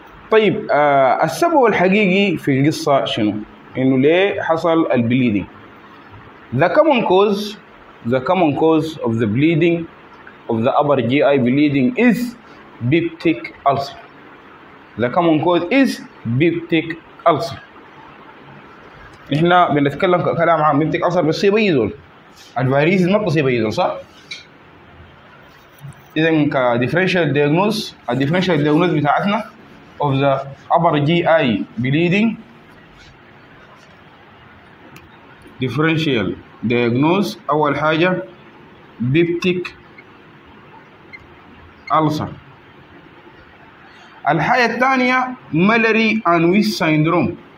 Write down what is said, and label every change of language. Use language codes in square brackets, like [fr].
[ar] طيب السبب الحقيقي في القصه شنو؟ انه ليه حصل البليدنج؟ [en] The common cause of the bleeding of the upper GI bleeding is peptic ulcer. The common cause is peptic ulcer. [ar] احنا بنتكلم كلام عام، peptic ulcer بتصيب اي دول، الفاريز ما بتصيب اي دول، صح؟ إذا الديفرنشال دياجنوز بتاعتنا [en] of the upper GI bleeding، [ar] differential diagnosis أول حاجة peptic ulcer. الحاجة الثانية Mallory and Weiss syndrome.